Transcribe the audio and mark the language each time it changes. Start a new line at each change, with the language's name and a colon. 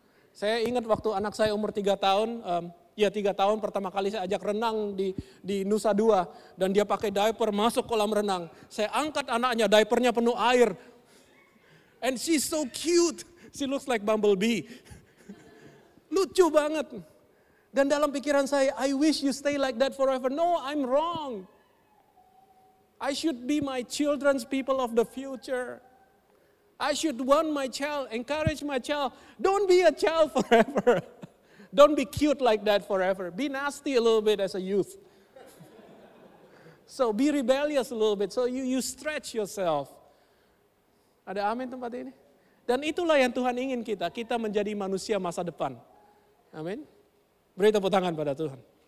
Indonesian: Saya ingat waktu anak saya umur 3 tahun. Tiga tahun pertama kali saya ajak renang di Nusa Dua. Dan dia pakai diaper masuk kolam renang. Saya angkat anaknya, diapernya penuh air.
English: And she's so cute. She looks like Bumblebee.
Indonesian: Lucu banget. Dan dalam pikiran saya,
English: I wish you stay like that forever. No, I'm wrong. I should be my children's people of the future. I should warn my child, encourage my child. Don't be a child forever. Don't be cute like that forever. Be nasty a little bit as a youth. So be rebellious a little bit. So you stretch yourself.
Indonesian: Ada amin tempat ini? Dan itulah yang Tuhan ingin kita. Kita menjadi manusia masa depan. Amin. Beri tepuk tangan pada Tuhan.